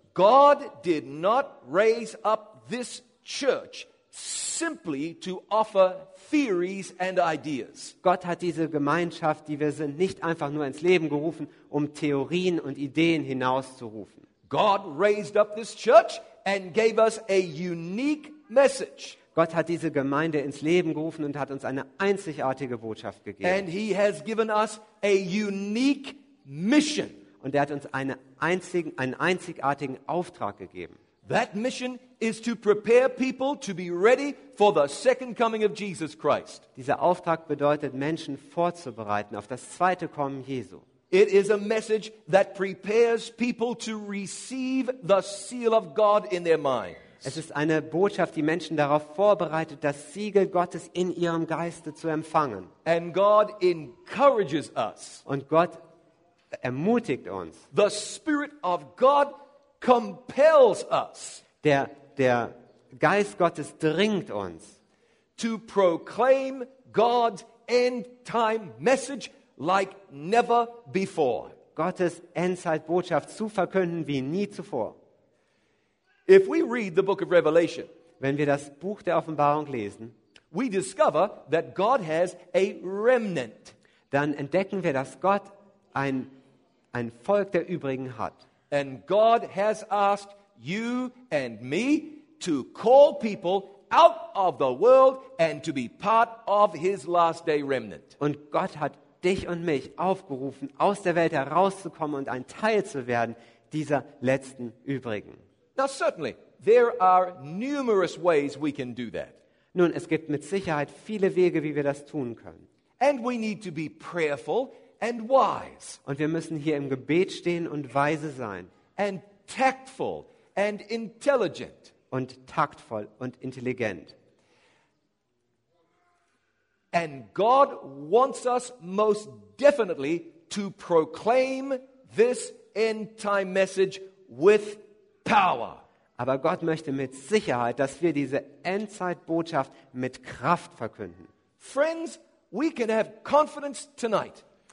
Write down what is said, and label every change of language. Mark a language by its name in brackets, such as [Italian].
[English] God did not raise up this church simply to offer theories and ideas. [German] Gott hat diese Gemeinschaft, die wir sind, nicht einfach nur ins Leben gerufen, um Theorien und Ideen hinauszurufen. [English] God raised up this church and gave us a unique message. [German] Gott hat diese Gemeinde ins Leben gerufen und hat uns eine einzigartige Botschaft gegeben. [English] And he has given us a unique mission. [German] Und er hat uns einen einzigartigen Auftrag gegeben. [English] That mission is to prepare people to be ready for the second coming of Jesus Christ. [German] Dieser Auftrag bedeutet, Menschen vorzubereiten auf das zweite Kommen Jesu. [English] It is a message that prepares people to receive the seal of God in their minds. [German] Es ist eine Botschaft, die Menschen darauf vorbereitet, das Siegel Gottes in ihrem Geiste zu empfangen. [English] And God encourages us. [German] Und Gott ermutigt uns. [English] The Spirit of God compels us. [German] Der Geist Gottes dringt uns. [English] To proclaim God's end time message like never before. [German] Gottes Endzeitbotschaft zu verkünden wie nie zuvor. [English] If we read the book of Revelation, [German] wenn wir das Buch der Offenbarung lesen, [English] we discover that God has a remnant. [German] Dann entdecken wir, dass Gott ein Volk der Übrigen hat. [English] And God has asked you and me to call people out of the world and to be part of his last day remnant. [German] Und Gott hat dich und mich aufgerufen, aus der Welt herauszukommen und ein Teil zu werden dieser letzten Übrigen. [English] Now certainly there are numerous ways we can do that. [German] Nun, es gibt mit Sicherheit viele Wege, wie wir das tun können. [English] And we need to be prayerful and wise. [German] Und wir müssen hier im Gebet stehen und weise sein. [English] And tactful and intelligent. [German] Und taktvoll und intelligent. [English] And God wants us most definitely to proclaim this end time message with power. [German] Aber Gott möchte mit Sicherheit, dass wir diese Endzeitbotschaft mit Kraft verkünden. [English] Friends, we can have confidence tonight.